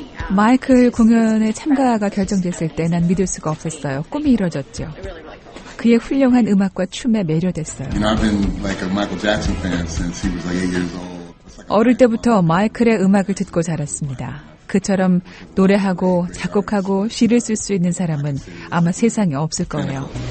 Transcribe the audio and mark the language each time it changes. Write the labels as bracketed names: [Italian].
[Korean] 마이클 공연에 참가가 결정됐을 때 난 믿을 수가 없었어요. 꿈이 이뤄졌죠. 그의 훌륭한 음악과 춤에 매료됐어요. [English] You know, I've been like a Michael Jackson fan since he was like 8 years old. [Korean] 어릴 때부터 마이클의 음악을 듣고 자랐습니다. 그처럼 노래하고 작곡하고 시를 쓸 수 있는 사람은 아마 세상에 없을 거예요.